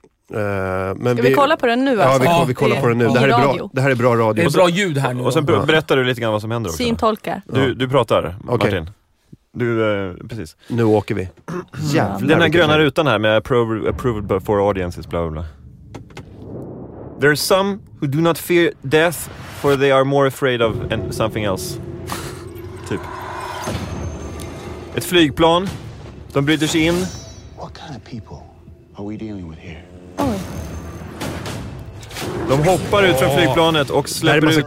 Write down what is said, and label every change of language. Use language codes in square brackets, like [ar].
[sv] Men ska vi kolla på den nu alltså? Ja, vi kollar på den nu. Det här är bra, det här är bra radio. Det är bra ljud här nu. Och sen berättar du lite grann vad som händer också. Syntolka. Du pratar, Martin. Okay. Du, precis. Nu åker vi. Jävlar. Den här gröna rutan här med [en] approved for audiences, [sv] bla bla bla. [en] There are some who do not fear death, for they are more afraid of something else. [sv] Typ. Ett flygplan. De bryter sig in. [en] What kind of people are we dealing with here? [sv] De hoppar ut från flygplanet och släpper ut